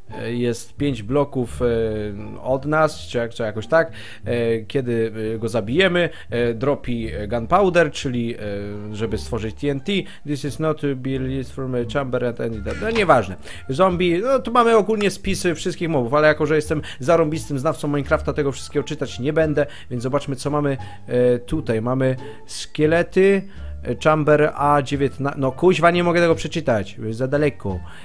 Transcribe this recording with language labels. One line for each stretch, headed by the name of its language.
Polish: jest 5 bloków od nas, czy jakoś tak, kiedy go zabijemy, dropi gunpowder, czyli żeby stworzyć TNT.
English: This is not to be released from a chamber at any time.
Polish: No nieważne. Zombie, no tu mamy ogólnie spisy wszystkich mobów, ale jako, że jestem zarąbistym znawcą Minecrafta, tego wszystkiego czytać nie będę, więc zobaczmy, co mamy tutaj. Mamy szkielety. Chamber A19, no kuźwa, nie mogę tego przeczytać, za daleko.